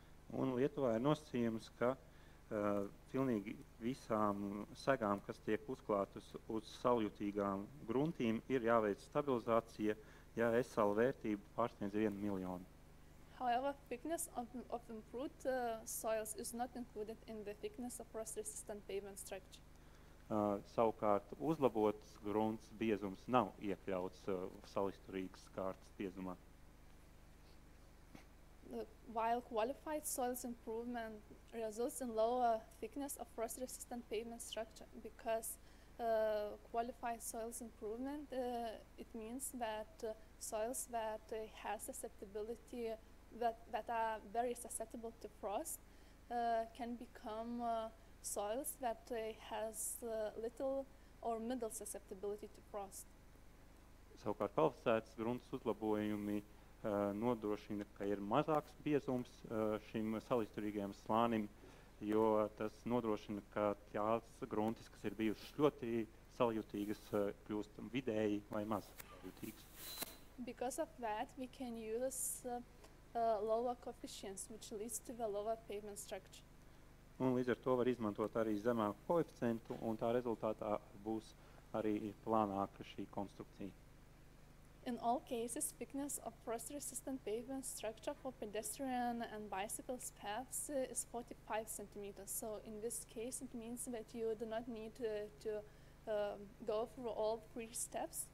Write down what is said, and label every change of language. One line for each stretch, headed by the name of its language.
Latvian: Un Lietuvā ir nosacījums, ka pilnīgi visām segām, kas tiek uzklātas uz saljutīgām gruntīm, ir jāveic stabilizācija, ja SL vērtība pārsniedz 1 miljonu.
English: However, thickness of improved soils is not included in the thickness of frost-resistant pavement structure.
Latvian: Savukārt, uzlabotas grunts biezums nav iekļauts salisturīgas kārtas biezumā.
English: While qualified soils improvement results in lower thickness of frost-resistant pavement structure, because qualified soils improvement, it means that soils that have susceptibility that are very susceptible to frost can become soils that has little or middle susceptibility to frost.
Latvian: Savukārt kvalificētas grunts uzlabojumi nodrošina, ka ir mazāks biezums šim salisturīgajam slānim, jo tas nodrošina, ka tās gruntis, kas ir bijušas ļoti saljutīgas, kļūst vidēji vai maz saljutīgas.
English: Because of that, we can use lower coefficients, which leads to the lower pavement structure.
Latvian: Un līdz ar to var izmantot arī zemāku koeficientu, un tā rezultātā būs arī plānāka šī konstrukcija.
English: In all cases, thickness of frost-resistant pavement structure for pedestrian and bicycle paths is 45 centimeters. So in this case, it means that you do not need to go through all three steps.